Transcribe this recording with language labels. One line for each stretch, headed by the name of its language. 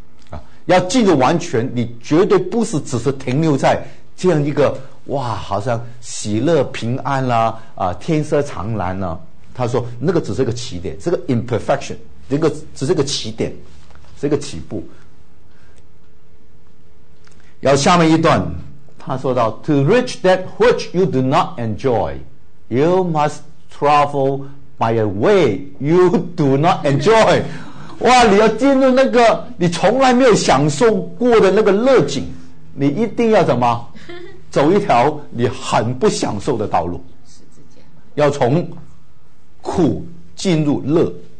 Chinese: 啊，要进入完全，你绝对不是只是停留在这样一个哇，好像喜乐平安啦，啊，啊，天色长蓝啦，啊，他说那个只是个起点，这个 imperfection， 这个只是个起点，这个起步。然后下面一段他说到
English: To reach that which you do not enjoy， You must travel by a way you do not enjoy。
Chinese: 哇，你要进入那个你从来没有享受过的那个乐景，你一定要怎么走一条你很不享受的道路，要从苦进入乐。